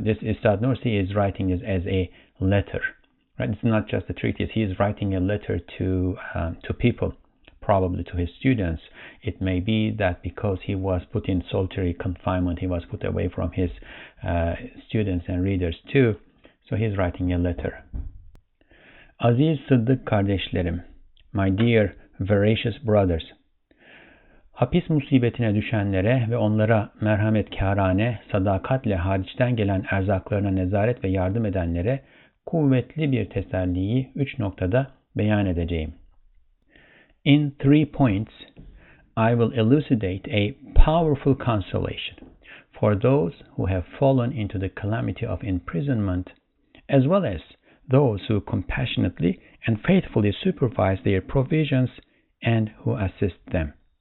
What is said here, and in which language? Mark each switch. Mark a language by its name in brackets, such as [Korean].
[English] This is Ustad Nursi is writing this as a letter, right? It's not just a treatise. He is writing a letter to people, probably to his students. It may be that because he was put in solitary confinement, he was put away from his students and readers too. So he's writing a letter. [Turkish] Aziz Sıddık kardeşlerim, [English] my dear veracious brothers, [Turkish] hapis musibetine düşenlere ve onlara merhametkârâne, sadakatle hariçten gelen erzaklarına nezaret ve yardım edenlere, kuvvetli bir teselliyi 3 noktada beyan edeceğim. [English] In 3 points, I will elucidate a powerful consolation for those who have fallen into the calamity of imprisonment, as well as those who compassionately and faithfully supervise their provisions and who assist them.